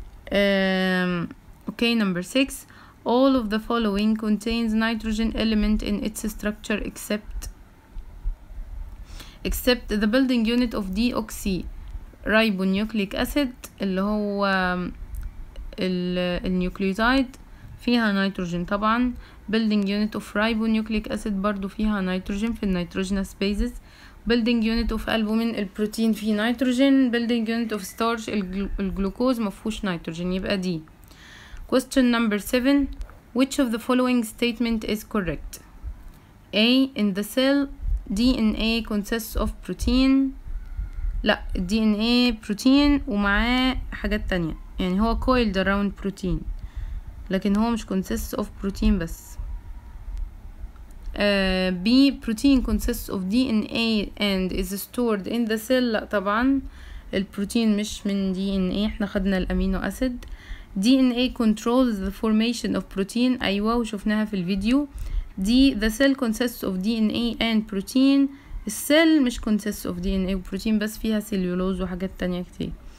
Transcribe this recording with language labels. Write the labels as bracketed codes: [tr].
[en] Okay, number 6. All of the following contains nitrogen element in its structure except the building unit of deoxyribonucleic acid [ar] اللي هو النيوكليوتايد فيها نيتروجين. طبعا [en] building unit of ribonucleic acid [ar] برضو فيها نيتروجين في النيتروجينس بيزز. [en] building unit of albumin [ar] البروتين فيه نيتروجين. [en] building unit of starch [ar] الجلوكوز مفهوش نيتروجين، يبقى دي. [en] question number 7: which of the following statement is correct? A. In the cell DNA consists of protein. [ar] لا DNA protein ومعاه حاجات تانية، يعني هو [en] coiled around protein [ar] لكن هو مش [en] consists of protein [ar] بس. [en] B. Protein consists of DNA and is stored in the cell. [ar] لا طبعا البروتين مش من DNA، احنا خدنا الأمينو أسيد. [en] DNA controls the formation of protein. [ar] أيوة وشوفناها في الفيديو. [en] D. The cell consists of DNA and protein. [ar] السيل مش [en] consists of DNA [ar] وبروتين بس، فيها سيليولوز وحاجات تانية كتير.